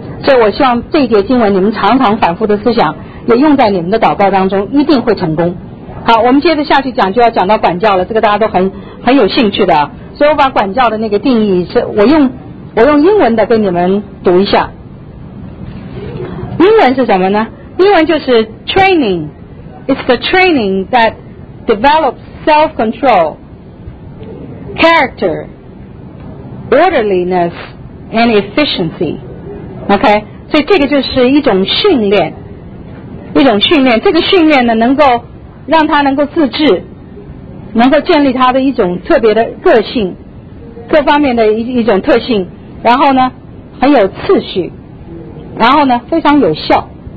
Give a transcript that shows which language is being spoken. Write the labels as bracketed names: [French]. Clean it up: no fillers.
[Chinese] 所以我希望这一节经文你们常常反复的思想，也用在你们的祷告当中，一定会成功。好，我们接着下去讲，就要讲到管教了，这个大家都很有兴趣的。所以我把管教的那个定义是我用英文的跟你们读一下。英文是什么呢？英文就是 [English] training， it's the training that develops self-control, character, orderliness and efficiency。 [Chinese] OK， 所以这个就是一种训练，一种训练，这个训练呢能够让他能够自制，能够建立他的一种特别的个性，各方面的 一种特性，然后呢很有次序，然后呢非常有效。